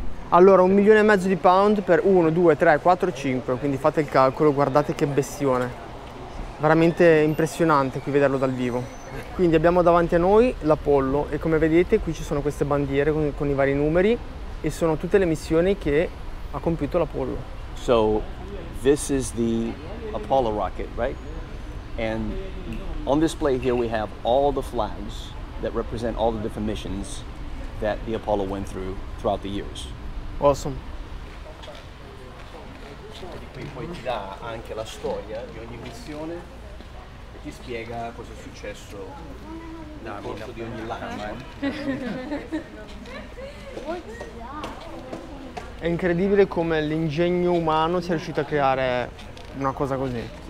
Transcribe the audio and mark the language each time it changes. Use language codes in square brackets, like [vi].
[it] Allora, 1,5 milioni di pound per 1, 2, 3, 4, 5, quindi fate il calcolo, guardate che bestione. Veramente impressionante qui vederlo dal vivo. Quindi abbiamo davanti a noi l'Apollo e come vedete qui ci sono queste bandiere con i vari numeri e sono tutte le missioni che ha compiuto l'Apollo. [en] So, this is the Apollo rocket, right? And on display here we have all the flags that represent all the different missions that the Apollo went through throughout the years. Awesome. [it] Di qui poi ti dà anche la storia di ogni missione e ti spiega cosa è successo nel corso di ogni lancio. È incredibile come l'ingegno umano sia riuscito a creare una cosa così.